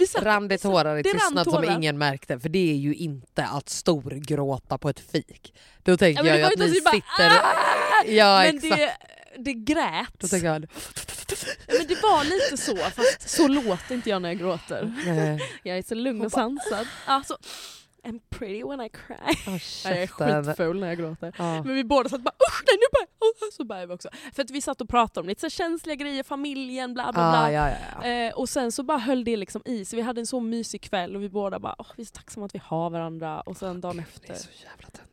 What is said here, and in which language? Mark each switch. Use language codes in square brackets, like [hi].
[sv] Rann det tårar i tystnad som ingen märkte. För det är ju inte att storgråta på ett fik. Då tänker jag att ni sitter... Ja, men det grät. Då tänker jag... Men det var lite så, fast så låter inte jag när jag gråter. Nej. Jag är så lugn och sansad. Alltså, [en] I'm pretty when I cry. Oh, [sv] jag är skitfull när jag gråter. Oh. Men vi båda satt bara, usch, nej, nu bara, oh, så börjar vi också. För att vi satt och pratade om lite så känsliga grejer, familjen, bla bla bla. Ja. Och sen så bara höll det liksom i. Så vi hade en så mysig kväll och vi båda bara, oh, vi är så tacksamma att vi har varandra. Och sen dagen efter. Det är så jävla tentiga.